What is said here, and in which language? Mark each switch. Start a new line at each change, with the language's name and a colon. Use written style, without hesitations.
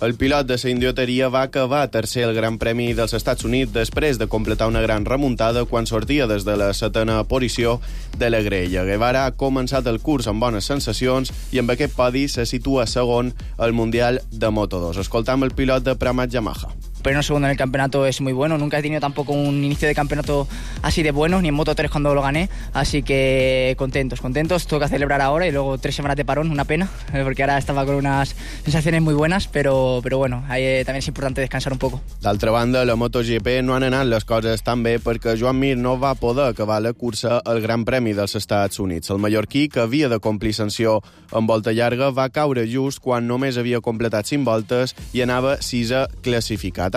Catalan: El pilot de Saint Deoteria va acabar tercer al Gran Premi dels Estats Units després de completar una gran remuntada quan sortia des de la 7a posició de la grella. Guevara ha començat el curs amb bones sensacions i amb aquest podi se situa segon al Mundial de Moto2. Escoltam el pilot de Pramac Yamaha.
Spanish: Pero no segundo en el campeonato es muy bueno. Nunca he tenido tampoco un inicio de campeonato así de bueno, ni en Moto3 cuando lo gané. Así que contentos. Tengo que celebrar ahora y luego 3 semanas de parón, una pena, porque ahora estaba con unas sensaciones muy buenas, pero bueno, ahí también es importante descansar un poco.
Catalan: D'altra banda, la MotoGP no han anat les coses tan bé perquè Joan Mir no va poder acabar la cursa al Gran Premi dels Estats Units. El mallorquí, que havia de complir sanció en volta llarga, va caure just quan només havia completat 5 voltes i anava 6a classificat.